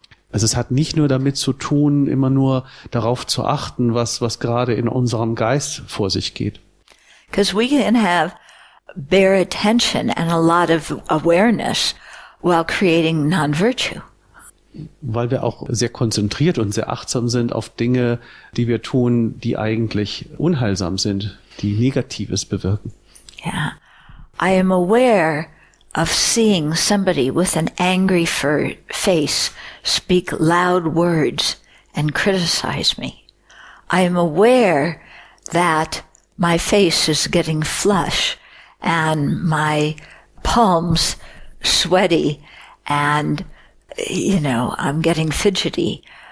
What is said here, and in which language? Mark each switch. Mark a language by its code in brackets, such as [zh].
[de] Es hat nicht nur damit zu tun, immer nur darauf zu achten, was gerade in unserem Geist vor sich geht. [en] Because we can have bare attention and a lot of awareness while creating non-virtue. [de] Weil wir auch sehr konzentriert und sehr achtsam sind auf Dinge, die wir tun, die eigentlich unheilsam sind, die Negatives bewirken. [en] Yeah. I am aware of seeing somebody with an angry face speak loud words and criticize me. I am aware that my face is getting flush and my palms sweaty and I'm getting fidgety.